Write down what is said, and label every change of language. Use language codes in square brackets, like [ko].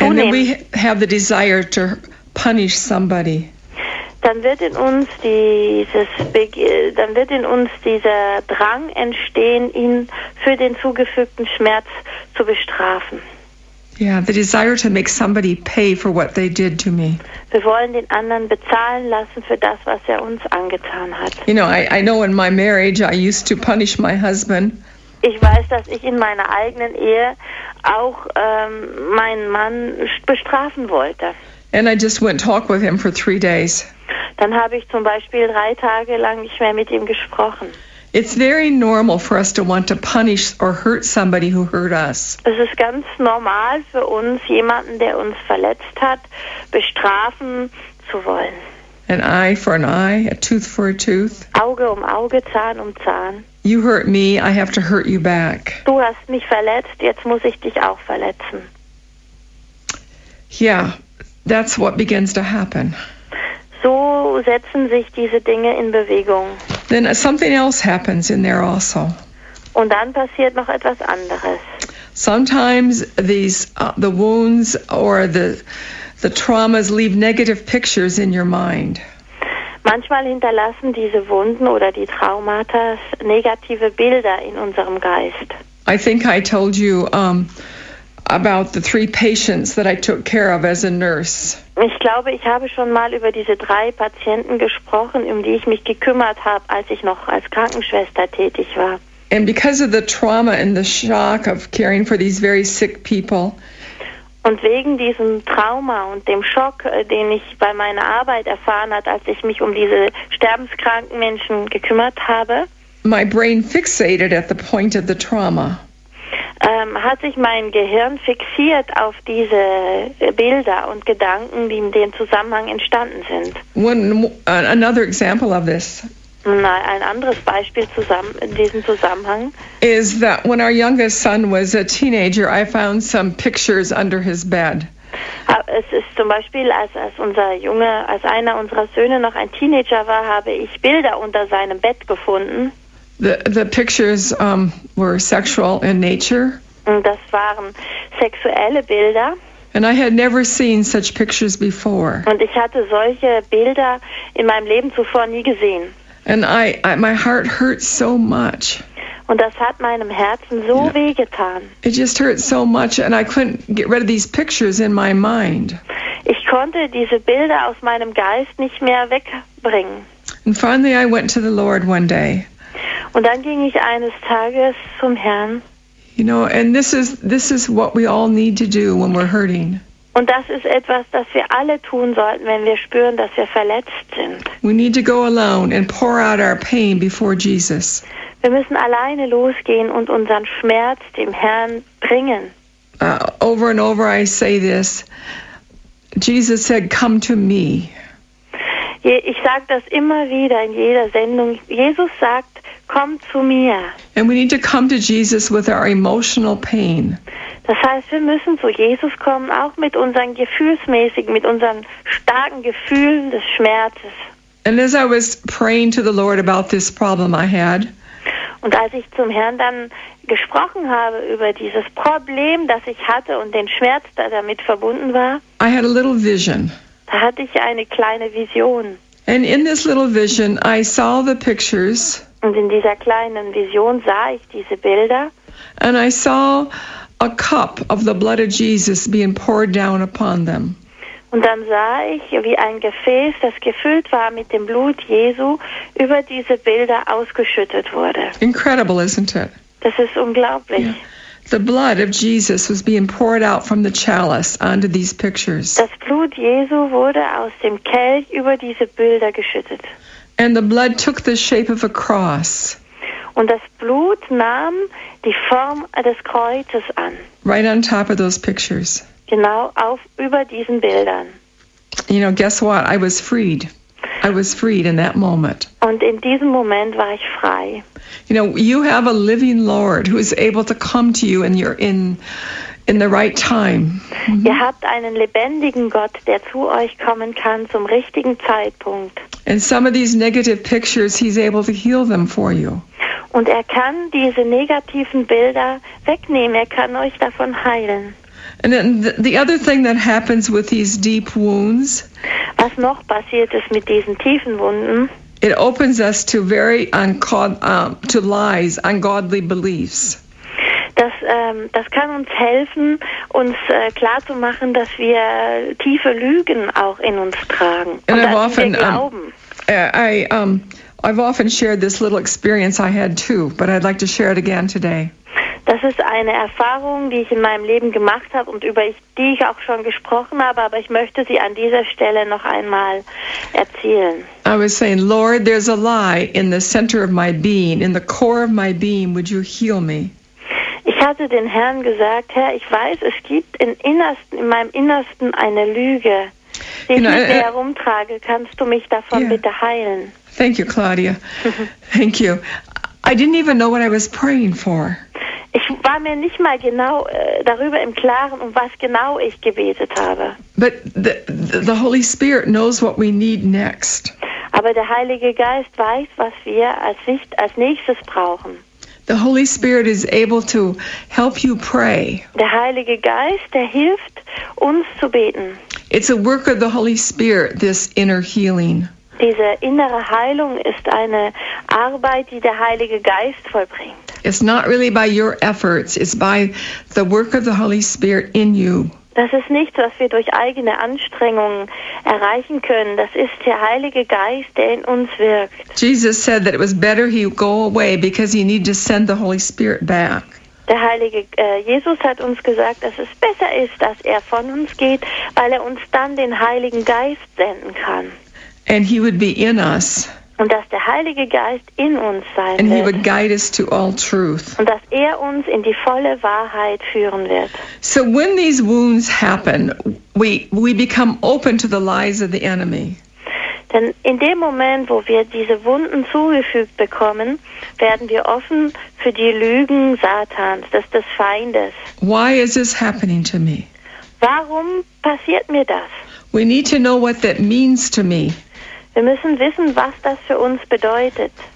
[en] and then we have the desire to punish somebody. [de] Dann wird in uns dieser Drang entstehen, ihn für den zugefügten Schmerz zu bestrafen. [en] Yeah, the desire to make somebody pay for what they did to me. [de] Wir wollen den anderen bezahlen lassen für das, was er uns angetan hat. [en] You know, I know in my marriage I used to punish my husband. [de] Ich weiß, dass ich in meiner eigenen Ehe auch meinen Mann bestrafen wollte. [en] And I just went talk with him for 3 days. [de] Dann habe ich zum Beispiel 3 Tage lang nicht mehr mit ihm gesprochen. [en] It's very normal for us to want to punish or hurt somebody who hurt us. [de] Es ist ganz normal für uns, jemanden, der uns verletzt hat, bestrafen zu wollen. [en] An eye for an eye, a tooth for a tooth. [de] Auge um Auge, Zahn um Zahn. [en] You hurt me, I have to hurt you back. [de] Du hast mich verletzt, jetzt muss ich dich auch verletzen. [en] Yeah, that's what begins to happen. [de] So setzen sich diese Dinge in Bewegung. [en] Then something else happens in there also. [de] Und dann passiert noch etwas anderes. [en] Sometimes these the wounds or the traumas leave negative pictures in your mind. [de] Manchmal hinterlassen diese Wunden oder die Traumata negative Bilder in unserem Geist. [en] I think I told you about the three patients that I took care of as a nurse. [de] Ich glaube, ich habe schon mal über diese drei Patienten gesprochen, um die ich mich gekümmert habe, als ich noch als Krankenschwester tätig war. [en] And because of the trauma and the shock of caring for these very sick people. [de] Und wegen diesem Trauma und dem Schock, den ich bei meiner Arbeit erfahren hat, als ich mich um diese sterbenskranken Menschen gekümmert habe. [en] My brain fixated at the point of the trauma. [de] Hat sich mein Gehirn fixiert auf diese Bilder und Gedanken, die in dem Zusammenhang entstanden sind. [en] Another example of this. [de] Ein anderes Beispiel zusammen in diesem Zusammenhang. [en] Is that when our youngest son was a teenager, I found some pictures under his bed. [de] Es ist zum Beispiel, als einer unserer Söhne noch ein Teenager war, habe ich Bilder unter seinem Bett gefunden. [en] The pictures were sexual in nature. [de] Das waren sexuelle Bilder. [en] And I had never seen such pictures before. [de] Und ich hatte solche Bilder in meinem Leben zuvor nie gesehen. [en] And I my heart hurt so much. [de] Und das hat meinem Herzen so weh getan. [en] It just hurt so much, and I couldn't get rid of these pictures in my mind. [de] Ich konnte diese Bilder aus meinem Geist nicht mehr wegbringen. [en] And finally, I went to the Lord one day. [de] Und dann ging ich eines Tages zum Herrn. [en] You know, and this is what we all need to do when we're hurting. [de] Und das ist etwas, das wir alle tun sollten, wenn wir spüren, dass wir verletzt sind. [en] We need to go alone and pour out our pain before Jesus. [de] Wir müssen alleine losgehen und unseren Schmerz dem Herrn bringen. [en] Over and over I say this. Jesus said, "Come to me." [de] Ich sage das immer wieder in jeder Sendung. Jesus sagt, komm zu mir. [en] And we need to come to Jesus with our emotional pain. [de] Das heißt, wir müssen zu Jesus kommen, auch mit unseren gefühlsmäßigen, mit unseren starken Gefühlen des Schmerzes. [en] And as I was praying to the Lord about this problem I had. [de] Und als ich zum Herrn dann gesprochen habe über dieses Problem, das ich hatte und den Schmerz, der damit verbunden war. [en] I had a little vision. [de] Da hatte ich eine kleine Vision. [en] And in this little vision, I saw the pictures. [de] Und in dieser kleinen Vision sah ich diese Bilder. [en] And I saw a cup of the blood of Jesus being poured down upon them. [de] Und dann sah ich, wie ein Gefäß, das gefüllt war mit dem Blut Jesu, über diese Bilder ausgeschüttet wurde. [en] Incredible, isn't it? [de] Das ist unglaublich. [en] Yeah. The blood of Jesus was being poured out from the chalice onto these pictures. [de] Das Blut Jesu wurde aus dem Kelch über diese Bilder geschüttet. [en] And the blood took the shape of a cross. [de] Und das Blut nahm die Form des Kreuzes an. [en] Right on top of those pictures. [de] Genau auf über diesen Bildern. [en] You know, guess what? I was freed. I was freed in that moment. [de] Und in diesem Moment war ich frei. [en] You know, you have a living Lord who is able to come to you and you're in the right time. Mm-hmm. [de] Ihr habt einen lebendigen Gott, der zu euch kommen kann zum richtigen Zeitpunkt. [en] And some of these negative pictures, he's able to heal them for you. [de] Und er kann diese negativen Bilder wegnehmen. Er kann euch davon heilen. [en] And then the other thing that happens with these deep wounds. [de] Was noch passiert ist mit diesen tiefen Wunden? [en] It opens us to very to lies, ungodly beliefs. [de] Das kann uns helfen, uns klar zu machen, dass wir tiefe Lügen auch in uns tragen und dass wir glauben. [en] I've often shared this little experience I had too, but I'd like to share it again today. [de] Das ist eine Erfahrung, die ich in meinem Leben gemacht habe und über die ich auch schon gesprochen habe, aber ich möchte sie an dieser Stelle noch einmal erzählen. [en] I was saying, Lord, there's a lie in the center of my being, in the core of my being, would you heal me? [de] Ich hatte den Herrn gesagt, Herr, ich weiß, es gibt in meinem Innersten eine Lüge, die ich mit mir herumtrage. Kannst du mich davon bitte heilen? [en] Thank you, Claudia. Thank you. I didn't even know what I was praying for. [de] Ich war mir nicht mal genau darüber im Klaren, um was genau ich gebetet habe. [en] But the Holy Spirit knows what we need next. [de] Aber der Heilige Geist weiß, was wir als nächstes brauchen. [en] The Holy Spirit is able to help you pray. [de] Der Heilige Geist, der hilft uns zu beten. [en] It's a work of the Holy Spirit, this inner healing. [de] Diese innere Heilung ist eine Arbeit, die der Heilige Geist vollbringt. [en] It's not really by your efforts, it's by the work of the Holy Spirit in you. [de] Das ist nichts, was wir durch eigene Anstrengungen erreichen können. Das ist der Heilige Geist, der in uns wirkt. [en] Jesus said that it was better he go away because he needed to send the Holy Spirit back. [de] Der Heilige Jesus hat uns gesagt, dass es besser ist, dass er von uns geht, weil er uns dann den Heiligen Geist senden kann. [en] And he would be in us. [de] Und dass der Heilige Geist in uns sein [en] and [de] wird. [en] He would guide us to all truth. [de] Und dass er uns in die volle Wahrheit führen wird. [en] So when these wounds happen, we become open to the lies of the enemy. [de] Denn in dem Moment, wo wir diese Wunden zugefügt bekommen, werden wir offen für die Lügen Satans, des Feindes. [en] Why is this happening to me? [de] Warum passiert mir das? [en] We need to know what that means to me. [de] Wir müssen wissen, was das für uns bedeutet.